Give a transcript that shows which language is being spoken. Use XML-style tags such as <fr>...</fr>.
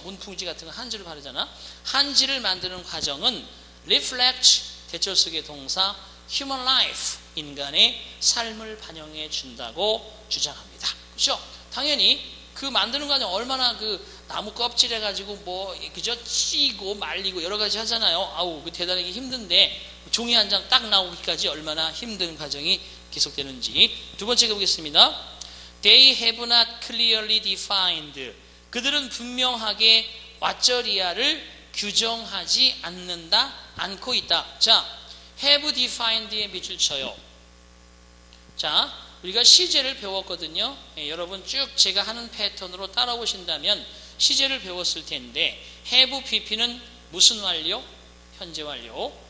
<ko>문풍지 같은 거 한지를 바르잖아. 한지를 만드는 과정은 reflect, 대철 속의 동사,</ko> <en>human life,</en> <ko>인간의 삶을 반영해 준다고 주장합니다. 그렇죠? 당연히 그 만드는 과정 얼마나 그 나무 껍질 해가지고 뭐 그저 찌고 말리고 여러 가지 하잖아요. 아우, 그 대단하게 힘든데 종이 한 장 딱 나오기까지 얼마나 힘든 과정이 계속되는지. 두 번째 가보겠습니다.</ko> <en>They have not clearly defined.</en> <ko>그들은 분명하게 왓절이야를 규정하지 않는다, 않고 있다. 자,</ko> <en>have defined</en> <ko>에 밑줄 쳐요. 자, 우리가 시제를 배웠거든요. 예, 여러분 쭉 제가 하는 패턴으로 따라오신다면 시제를 배웠을 텐데 have pp는 무슨 완료? 현재 완료.</ko>